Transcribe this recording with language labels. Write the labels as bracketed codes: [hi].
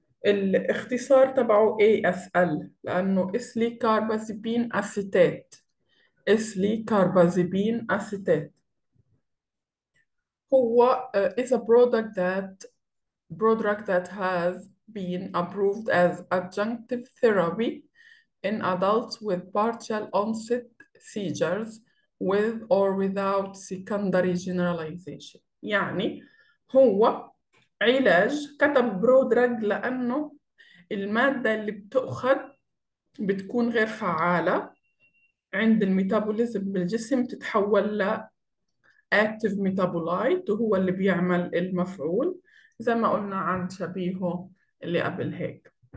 [ar] الاختصار تبعه ASL، لأنه إسلي كارباسيبين أسيتات، إسلي كارباسيبين أسيتات. [en] هو is a product that product that has been approved as adjunctive therapy in adults with partial onset seizures with or without secondary generalization. [ar] يعني هو علاج، كتب برودراج لأنه المادة اللي بتأخذ بتكون غير فعالة عند الميتابوليزم بالجسم، تتحول ل [en] active metabolite [ar] وهو اللي بيعمل المفعول، زي ما قلنا عن شبيهه اللي قبل هيك.